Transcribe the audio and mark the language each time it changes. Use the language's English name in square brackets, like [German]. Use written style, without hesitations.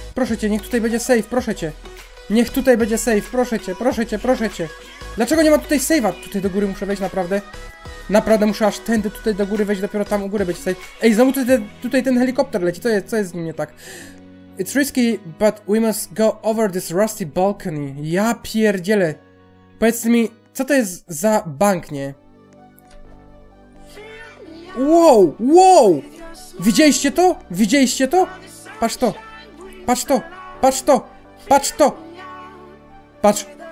[Polish] Proszę cię, niech tutaj będzie safe, proszę cię. Niech tutaj będzie safe, proszę cię. Dlaczego nie ma tutaj save'a? Tutaj do góry muszę wejść, naprawdę. Naprawdę muszę aż tędy tutaj do góry wejść, dopiero tam u góry być. Ej, znowu tutaj ten helikopter leci, co jest z nim nie tak? [English] It's risky, but we must go over this rusty balcony. [Polish] Ja pierdzielę. Powiedz mi, co to jest za bank, nie? Wow, wow! Widzieliście to? Widzieliście to? Patrz to! Patrz to! Patrz to! Patrz to! Patrz!